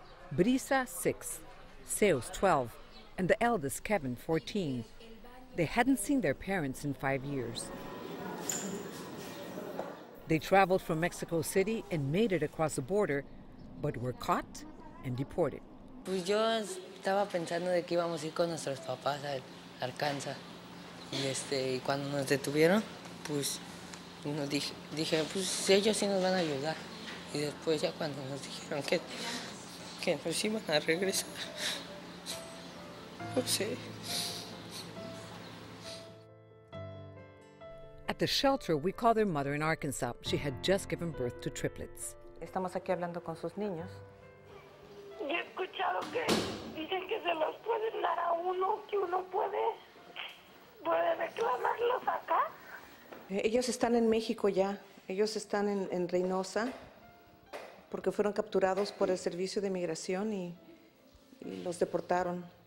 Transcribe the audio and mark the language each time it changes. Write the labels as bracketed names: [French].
[English] Brisa, 6. Seos, 12. And the eldest, Kevin, 14. They hadn't seen their parents in 5 years. They traveled from Mexico City and made it across the border, but were caught and deported. [Spanish] Pues yo estaba pensando de que íbamos a ir con nuestros papás a Arkansas. Y y cuando nos detuvieron, pues nos dije, pues ellos sí nos van a ayudar. Y después ya cuando nos dijeron que nos iban a regresar, pues sí. [English] At the shelter, we call their mother in Arkansas. She had just given birth to triplets. [Spanish] Estamos aquí hablando con sus niños. He escuchado que dicen que se los pueden dar a uno, que uno puede reclamarlos acá. Ellos están en México ya. Ellos están en Reynosa porque fueron capturados por el servicio de migración y los deportaron.